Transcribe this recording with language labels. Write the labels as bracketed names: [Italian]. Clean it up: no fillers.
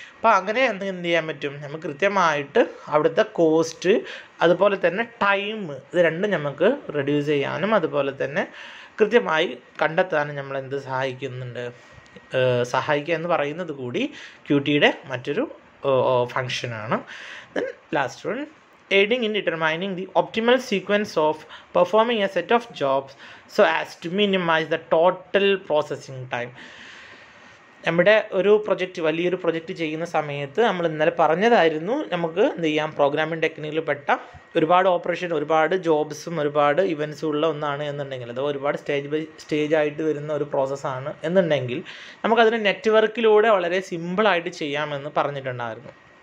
[Malayalam] അപ്പോൾ അങ്ങനെ എന്തെങ്കിലും എന്ത് ചെയ്യാൻ പറ്റും, നമുക്ക് കൃത്യമായിട്ട് അവിടുത്തെ കോസ്റ്റ് അതുപോലെ തന്നെ ടൈം, ഇത് രണ്ടും നമുക്ക് റെഡ്യൂസ് ചെയ്യാനും അതുപോലെ തന്നെ കൃത്യമായി കണ്ടെത്താനും നമ്മളെന്ത് സഹായിക്കുന്നുണ്ട്, സഹായിക്കുക എന്ന് പറയുന്നത് കൂടി ക്യൂടിയുടെ മറ്റൊരു ഫങ്ഷനാണ്. [English] Then last one, aiding in determining the optimal sequence of performing a set of jobs so as to minimize the total processing time. [Malayalam] നമ്മുടെ ഒരു പ്രൊജക്റ്റ് വലിയൊരു പ്രൊജക്റ്റ് ചെയ്യുന്ന സമയത്ത് നമ്മൾ ഇന്നലെ പറഞ്ഞതായിരുന്നു നമുക്ക് എന്ത് ചെയ്യാം പ്രോഗ്രാമിംഗ് ടെക്നിക്കിൽ പെട്ട ഒരുപാട് ഓപ്പറേഷൻ ഒരുപാട് ജോബ്സും ഒരുപാട് ഇവൻറ്റ്സും ഉള്ള ഒന്നാണ് എന്നുണ്ടെങ്കിൽ അത് ഒരുപാട് സ്റ്റേജ് ബൈ സ്റ്റേജ് ആയിട്ട് വരുന്ന ഒരു പ്രോസസ്സാണ് എന്നുണ്ടെങ്കിൽ നമുക്കതിനെ നെറ്റ്വർക്കിലൂടെ വളരെ സിമ്പിളായിട്ട് ചെയ്യാമെന്ന് പറഞ്ഞിട്ടുണ്ടായിരുന്നു